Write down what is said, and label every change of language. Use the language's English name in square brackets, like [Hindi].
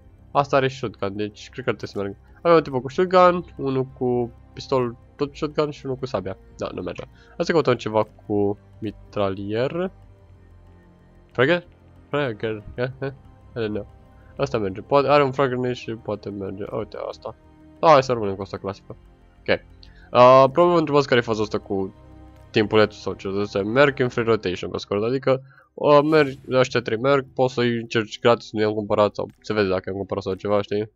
[Romanian] Asta are shotgun, deci cred că ar trebui să merg. Avem un tipul cu shotgun, unul cu pistol tot shotgun și unul cu sabia. Da, nu merge. Asta căutăm ceva cu mitralier. [English] Fragnel, yeah. I don't know. [Romanian] Asta merge, poate are un fragment și poate merge, uite asta. Hai să rămânem cu asta clasică. Ok. Probabil vă întrebați care e faza asta cu timpuletul sau ce zice, merg în free rotation pe scurt, adică ăștia trei merg, poți să-i încerci gratis, nu i-am cumpărat sau se vede dacă i-am cumpărat sau ceva, știi?